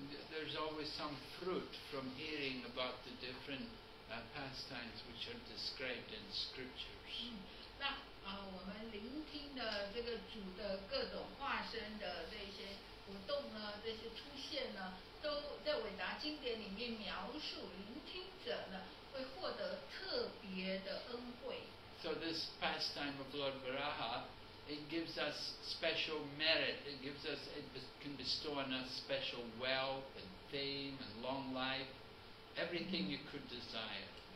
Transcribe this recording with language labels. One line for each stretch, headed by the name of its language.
English: There's always some fruit from hearing about the different pastimes which are described in scriptures.
Chinese: 那我们聆听的这个主的各种化身的这些活动呢，这些出现呢，都在伟达经典里面描述，聆听者呢会获得特别的恩惠。
English: So this pastime of Lord Varaha, it gives us special merit. It gives us, it can bestow on us special wealth and fame and long life, everything you could desire.